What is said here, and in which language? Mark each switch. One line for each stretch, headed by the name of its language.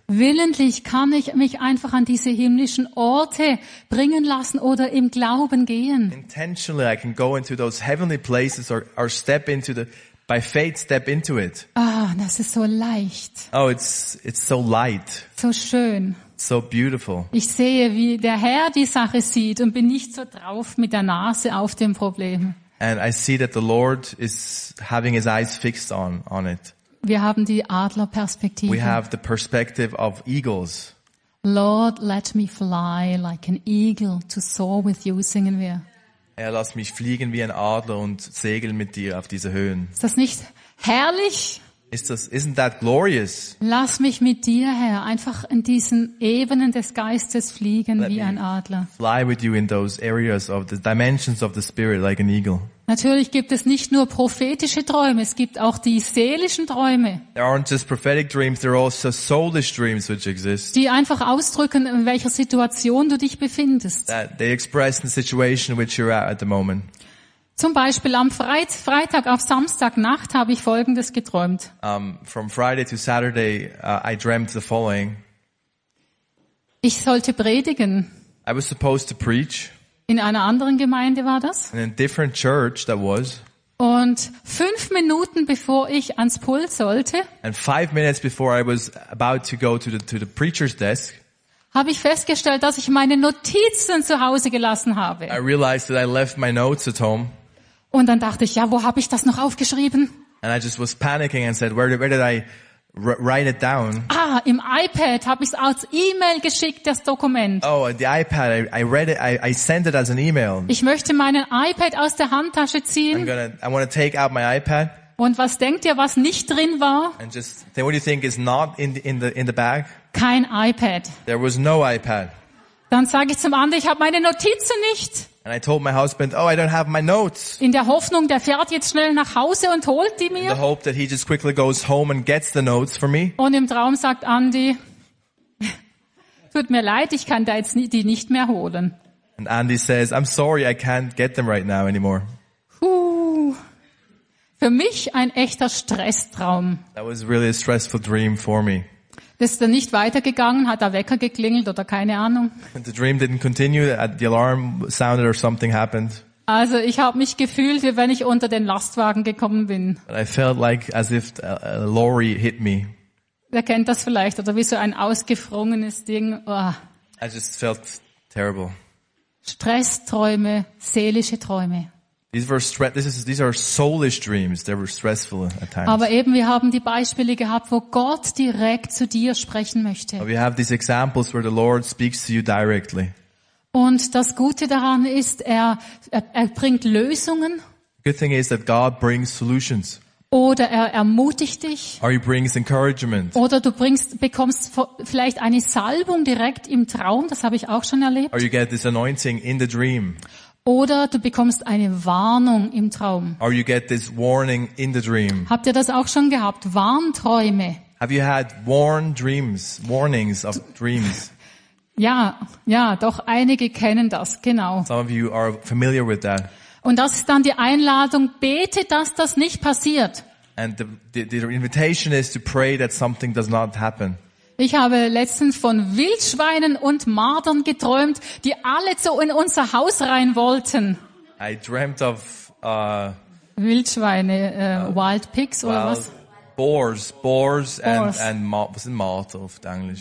German: Willentlich kann ich mich einfach an diese himmlischen Orte bringen lassen oder im Glauben gehen.
English: Intentionally I can go into those heavenly places or step into the by faith step into it.
German: Ah, das ist so leicht.
English: Oh, it's so light.
German: So schön.
English: So beautiful.
German: Ich sehe, wie der Herr die Sache sieht und bin nicht so drauf mit der Nase auf dem Problem.
English: And I see that the Lord is having his eyes fixed on it.
German: Wir haben die Adlerperspektive.
English: We have the perspective of eagles. Lord, let me fly like an eagle to soar with you,
German: singen wir. Herr, lass mich fliegen wie ein Adler und segeln mit dir auf diese Höhen. Ist das nicht herrlich?
English: Isn't that glorious?
German: Lass mich mit dir, Herr, einfach in diesen Ebenen des Geistes fliegen wie ein Adler.
English: Fly with you in those areas of the dimensions of the spirit like an eagle.
German: Natürlich gibt es nicht nur prophetische Träume, es gibt auch die seelischen Träume.
English: There aren't just prophetic dreams, there are also soulish dreams which exist.
German: Die einfach ausdrücken, in welcher Situation du dich befindest.
English: They express the situation which you're at the moment.
German: Zum Beispiel am Freitag auf Samstagnacht habe ich Folgendes geträumt.
English: From Friday to Saturday, I dreamt the following.
German: Ich sollte predigen.
English: I was supposed to preach.
German: In einer anderen Gemeinde war das.
English: In a different church that was.
German: Und 5 Minuten bevor ich ans Pult sollte.
English: And 5 minutes before I was about to go to the preacher's desk.
German: Habe ich festgestellt, dass ich meine Notizen zu Hause gelassen habe.
English: I realized that I left my notes at home.
German: Und dann dachte ich, ja, wo habe ich das noch aufgeschrieben?
English: And I just was panicking and said, where did I write it down?
German: Ah, im iPad habe ich es als E-Mail geschickt, das Dokument.
English: Oh, the iPad, I sent it as an E-Mail.
German: Ich möchte meinen iPad aus der Handtasche ziehen.
English: I want to take out my iPad.
German: Und was denkt ihr, was nicht drin war?
English: And just, what do you think is not in the bag?
German: Kein iPad.
English: There was no iPad.
German: Dann sage ich zum anderen, ich habe meine Notizen nicht.
English: And I told my husband, oh, I don't have my notes.
German: In der Hoffnung, der fährt jetzt schnell nach Hause und holt die mir.
English: In the hope that he just quickly goes home and gets the notes for me.
German: Und im Traum sagt Andy, tut mir leid, ich kann da jetzt die nicht mehr holen.
English: And Andy says, I'm sorry, I can't get them right now anymore.
German: Für mich ein echter Stresstraum.
English: That was really a stressful dream for me.
German: Ist dann nicht weitergegangen, hat der Wecker geklingelt oder keine Ahnung.
English: The dream didn't continue, the alarm sounded or something happened.
German: Also ich habe mich gefühlt, wie wenn ich unter den Lastwagen gekommen bin.
English: But I felt like as if a lorry hit me.
German: Wer kennt das vielleicht, oder wie so ein ausgefrorenes Ding. Oh.
English: I just felt terrible.
German: Stressträume, seelische Träume.
English: These are soulish dreams. They were stressful at times.
German: Aber eben, wir haben die Beispiele gehabt, wo Gott direkt zu dir sprechen möchte.
English: But we have these examples where the Lord speaks to you directly.
German: Und das Gute daran ist, er bringt Lösungen.
English: Good thing is that God brings solutions.
German: Oder er ermutigt dich.
English: Or he brings encouragement.
German: Oder du bekommst vielleicht eine Salbung direkt im Traum. Das habe ich auch schon erlebt.
English: Or you get this anointing in the dream.
German: Oder du bekommst eine Warnung im Traum.
English: Or you get this warning in the dream.
German: Habt ihr das auch schon gehabt? Warnträume.
English: Have you had warnings of dreams?
German: Ja, doch einige kennen das, genau.
English: Some of you are familiar with that.
German: Und das ist dann die Einladung, bete, dass das nicht passiert.
English: And the invitation is to pray that something does not happen.
German: Ich habe letztens von Wildschweinen und Mardern geträumt, die alle so in unser Haus rein wollten.
English: I dreamt of
German: Wildschweine,
English: wild pigs
German: oder was?
English: Boars. And
German: was in Marder auf Englisch?